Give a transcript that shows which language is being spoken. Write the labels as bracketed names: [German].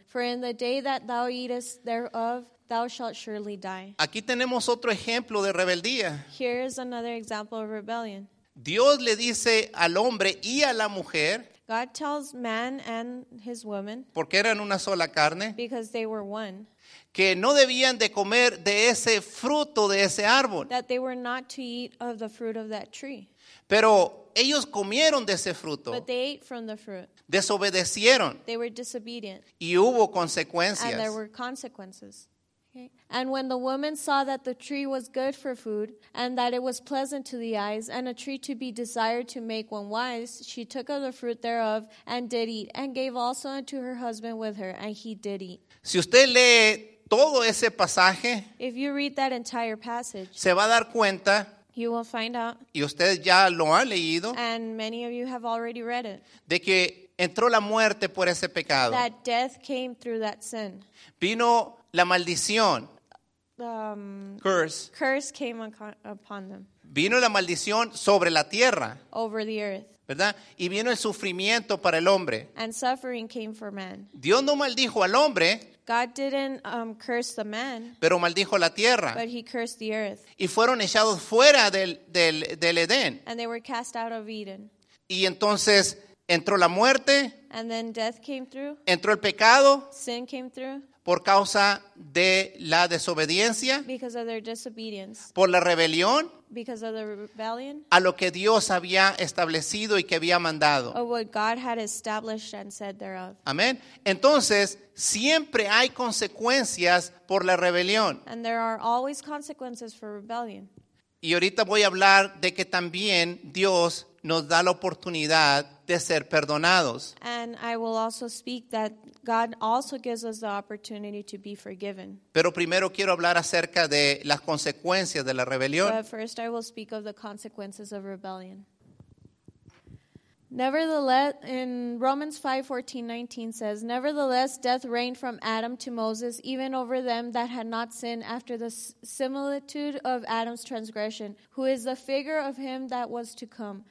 [English] For in the day that thou eatest thereof, thou shalt surely die." [Spanish] Aquí tenemos otro ejemplo de rebeldía. [English] Here is another example of rebellion. [Spanish] Dios le dice al hombre y a la mujer. [English] God tells man and his woman. [Spanish] Porque eran una sola carne. [English] Because they were one. [Spanish] Que no debían de comer de ese fruto de ese árbol. [English] That they were not to eat of the fruit of that tree. [Spanish] Pero ellos comieron de ese fruto. [English] But they ate from the fruit. [Spanish] Desobedecieron. [English] They were disobedient. [Spanish] Y hubo consecuencias. [English] And there were consequences. Okay. "And when the woman saw that the tree was good for food, and that it was pleasant to the eyes, and a tree to be desired to make one wise, she took of the fruit thereof, and did eat, and gave also unto her husband with her, and he did eat." [Spanish] Si usted lee todo ese pasaje, [English] if you read that entire passage, [Spanish] se va a dar cuenta. [English] You will find out. [Spanish] Y ustedes ya lo han leído. [English] And many of you have already read it. [Spanish] De que entró la muerte por ese pecado. [English] That death came through that sin. [Spanish] Vino la maldición. Curse. [English] Curse came upon them. [Spanish] Vino la maldición sobre la tierra. [English] Over the earth. [Spanish] ¿Verdad? Y vino el sufrimiento para el hombre. [English] And suffering came for man. [Spanish] Dios no maldijo al hombre. [English] God didn't curse the man. [Spanish] Pero maldijo la tierra. [English] But he cursed the earth. [Spanish] Y fueron echados fuera del Edén. [English] And they were cast out of Eden. [Spanish] Y entonces entró la muerte. [English] And then death came through. [Spanish] Entró el pecado. [English] Sin came through. [Spanish] Por causa de la desobediencia. [English] Because of their disobedience. [Spanish] Por la rebelión. [English] Because of the rebellion. [Spanish] A lo que Dios había establecido y que había mandado. [English] Of what God had established and said thereof. [Spanish] Amén. Entonces, siempre hay consecuencias por la rebelión. [English] And there are always consequences for rebellion. [Spanish] Y ahorita voy a hablar de que también Dios nos da la oportunidad de ser perdonados. [English] And I will also speak that God also gives us the opportunity to be forgiven. [Spanish] Pero primero quiero hablar acerca de las consecuencias de la rebelión. [English] But first I will speak of the consequences of rebellion. Nevertheless, in Romans 5:14-19 says, "Nevertheless, death reigned from Adam to Moses, even over them that had not sinned after the similitude of Adam's transgression, who is the figure of him that was to come.